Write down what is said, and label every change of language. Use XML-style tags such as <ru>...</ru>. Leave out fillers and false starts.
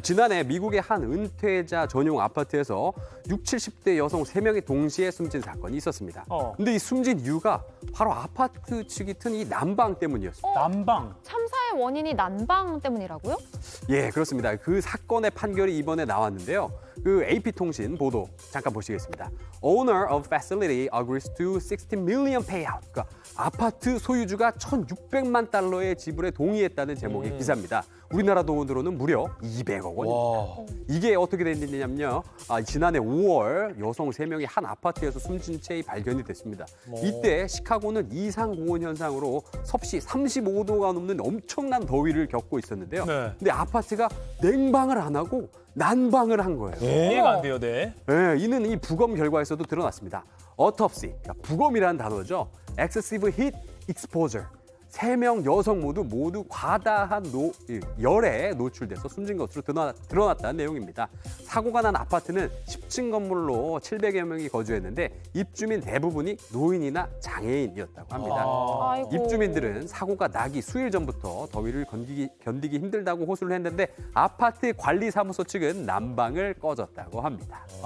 <ko>지난해 미국의 한 은퇴자 전용 아파트에서 60, 70대 여성 3명이 동시에 숨진 사건이 있었습니다. 근데 이 숨진 이유가 바로 아파트 측이 튼 이 난방 때문이었습니다. 난방? 참사의 원인이 난방 때문이라고요? 예, 그렇습니다. 그 사건의 판결이 이번에 나왔는데요. 그 AP통신 보도 잠깐 보시겠습니다.</ko> <en>Owner of facility agrees to $60 million payout.</en> <ko>그러니까 아파트 소유주가 1,600만 달러의 지불에 동의했다는 제목의 기사입니다. 우리나라 돈으로는 무려 200억 원입니다. 와. 이게 어떻게 됐냐면요. 지난해 5월 여성 3명이 한 아파트에서 숨진 채 발견이 됐습니다. 이때 시카고는 이상고온 현상으로 섭씨 35도가 넘는 엄청난 더위를 겪고 있었는데요. 네. 근데 아파트가 냉방을 안 하고 난방을 한 거예요. 네. 이해가 안 돼요, 네. 네. 이는 이 부검 결과에서도 드러났습니다. Autopsy, 그러니까 부검이라는 단어죠.</ko> <en>Excessive heat exposure.</en> <ko>3명 여성 모두 과다한 열에 노출돼서 숨진 것으로 드러났다는 내용입니다. 사고가 난 아파트는 10층 건물로 700여 명이 거주했는데 입주민 대부분이 노인이나 장애인이었다고 합니다. 입주민들은 사고가 나기 수일 전부터 더위를 견디기 힘들다고 호소를 했는데 아파트 관리사무소 측은 난방을 꺼졌다고 합니다.</ko>